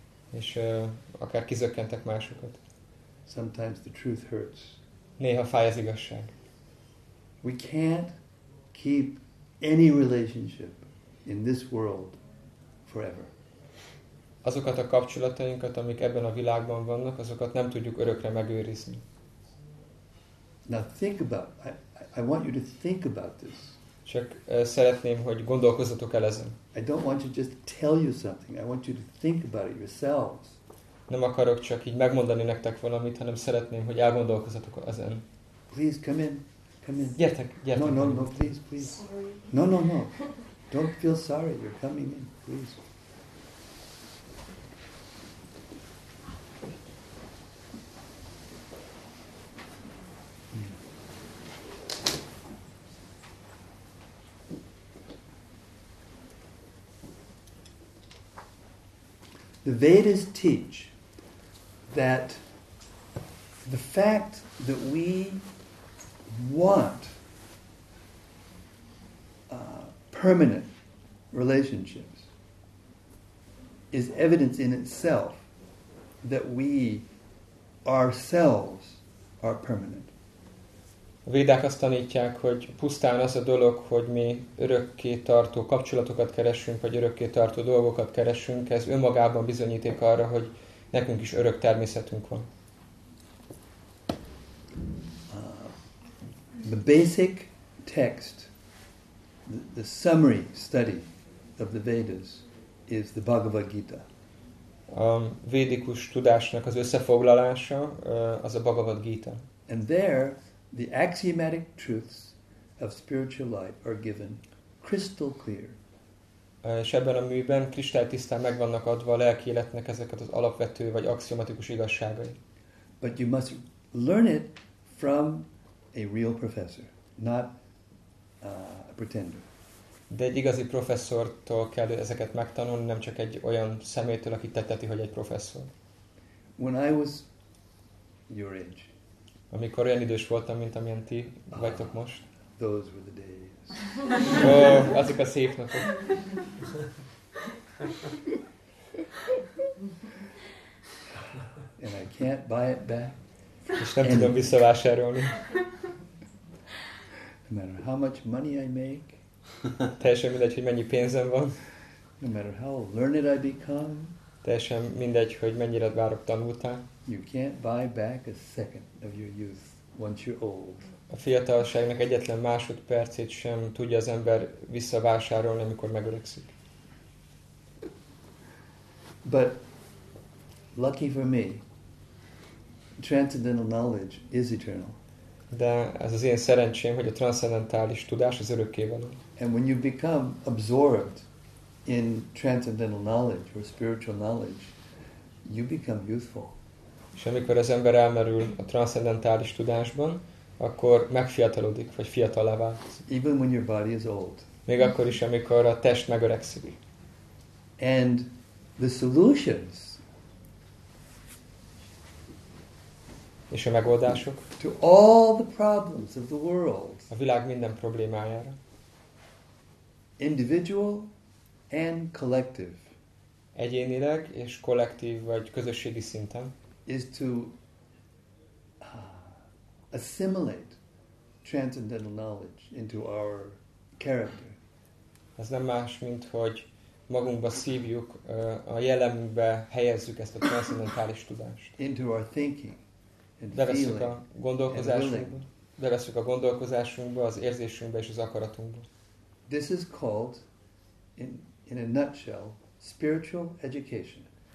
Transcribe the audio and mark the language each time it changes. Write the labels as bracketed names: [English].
[Hungarian] És akár kizökkentek másokat. [English] Sometimes the truth hurts. [Hungarian] Néha fáj az igazság. [English] We can't keep any relationship in this world forever. [Hungarian] Azokat a kapcsolatainkat, amik ebben a világban vannak, azokat nem tudjuk örökre megőrizni. [English] Now think about, I want you to think about this. [Hungarian] Csak szeretném, hogy gondolkozzatok el ezen. [English] I don't want to just tell you something. I want you to think about it yourselves. [Hungarian] Nem akarok csak így megmondani nektek valamit, hanem szeretném, hogy elgondolkozzatok ezen. [English] Please come in. Come in. [Hungarian] Gyertek. [English] No, please. Sorry. No. Don't feel sorry. You're coming in. Please. The Vedas teach that the fact that we want permanent relationships is evidence in itself that we ourselves are permanent. [Hungarian] A Védák azt tanítják, hogy pusztán az a dolog, hogy mi örökké tartó kapcsolatokat keresünk, vagy örökké tartó dolgokat keresünk, ez önmagában bizonyíték arra, hogy nekünk is örök természetünk van. [English] The basic text, the summary study of the Vedas is the Bhagavad Gita. [Hungarian] A védikus tudásnak az összefoglalása az a Bhagavad Gita. [English] And there the axiomatic truths of spiritual life are given crystal clear. [Hungarian] És ebben a műben kristálytisztán meg vannak adva a lelki életnek ezeket az alapvető vagy axiomatikus igazságai. [English] But you must learn it from a real professor, not a pretender. [Hungarian] De egy igazi professzortól kell ezeket megtanulni, nem csak egy olyan szemétől, aki teteti, hogy egy professzor. [English] When I was your age, [Hungarian] amikor olyan idős voltam, mint amilyen ti vagytok most. [English] Those were the days. [Hungarian] Azok a szép napok. [English] And I can't buy it back. [Hungarian] És nem tudom visszavásárolni. [English] No matter how much money I make. [Hungarian] Teljesen mindegy, hogy mennyi pénzem van. [English] No matter how learned I become. [Hungarian] Teljesen mindegy, hogy mennyire várok tanultál. [English] You can't buy back a second of your youth once you're old. [Hungarian] A fiatalságnak egyetlen másodpercét sem tudja az ember visszavásárolni, amikor megöregszik. [English] But lucky for me, transcendental knowledge is eternal. [Hungarian] De ez az én szerencsém, hogy a transzcendentális tudás az örökkévaló. [English] And when you become absorbed in transcendental knowledge or spiritual knowledge, you become youthful. [Hungarian] És amikor az ember elmerül a transzcendentális tudásban, akkor megfiatalodik, vagy fiatalá válsz. [English] Even when your body is old. [Hungarian] Még akkor is, amikor a test megöregszik. [English] And the solutions. [Hungarian] És a megoldások. [English] To all the problems of the world. [Hungarian] A világ minden problémájára. [English] Individual and collective. [Hungarian] Egyénileg és kollektív vagy közösségi szinten. [English] Is to assimilate transcendental knowledge into our character. [Hungarian] Ez nem más, mint hogy magunkba szívjuk, a jelenünkbe helyezzük ezt a transzendentális tudást. [English] Into our thinking. [Hungarian] Beveszünk a gondolkozásunkba, beveszünk a gondolkozásunkba, az érzésünkbe és az akaratunkba. [English] This is called, in a nutshell, spiritual education.